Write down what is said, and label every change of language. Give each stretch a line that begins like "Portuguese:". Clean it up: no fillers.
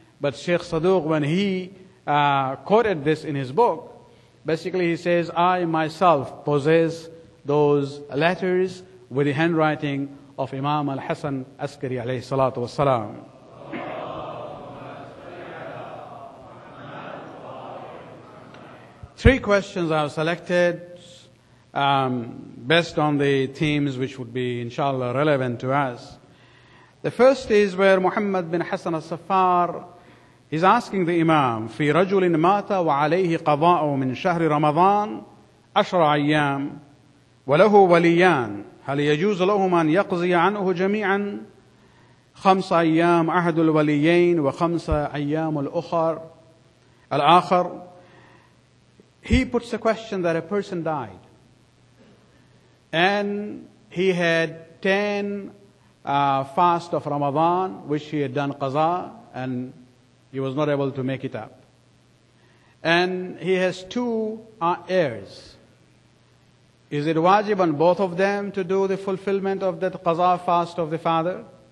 English: But Sheikh Saduq, when he quoted this in his book, basically he says, I myself possess those letters with the handwriting of Imam al-Hasan al-Askari alayhi salatu wasalam. Three questions I have selected based on the themes which would be, inshallah, relevant to us. The first is where Muhammad bin Hassan al-Saffar is asking the Imam,
Arabic: في رجل مات وعليه قضاء من شهر رمضان أشر أيام وله وليان هل يجوز لهم أن يقضي عنه جميعا خمس أيام أحد الوليين وخمس أيام الآخر.
English: He puts a question that a person died and he had 10 fast of Ramadan which he had done qaza and he was not able to make it up. And he has two heirs. Is it wajib on both of them to do the fulfillment of that qaza fast of the father?